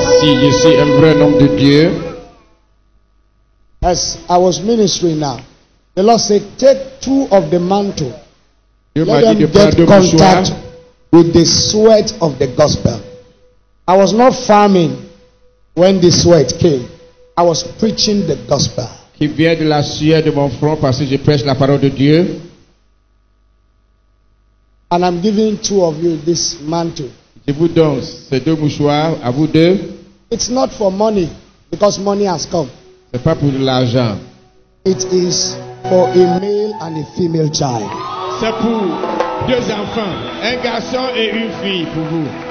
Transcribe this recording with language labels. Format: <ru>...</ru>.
<fr>Si je suis un vrai homme de Dieu.</fr> <en>As I was ministering now, the Lord said, take two of the mantle.</en> <fr>Dieu</fr> <en>let them get contact with the sweat of the gospel. I was not farming when the sweat came. I was preaching the gospel.</en> <fr>Qui vient de la sueur de mon front parce que je prêche la parole de Dieu.</fr> <en>And I'm giving two of you this mantle.</en> <fr>Je vous donne ces deux mouchoirs à vous deux.</fr> <en>It's not for money, because money has come.</en> <fr>C'est pas pour l'argent.</fr> <en>It is for a male and a female child.</en> <fr>C'est pour deux enfants, un garçon et une fille pour vous.</fr>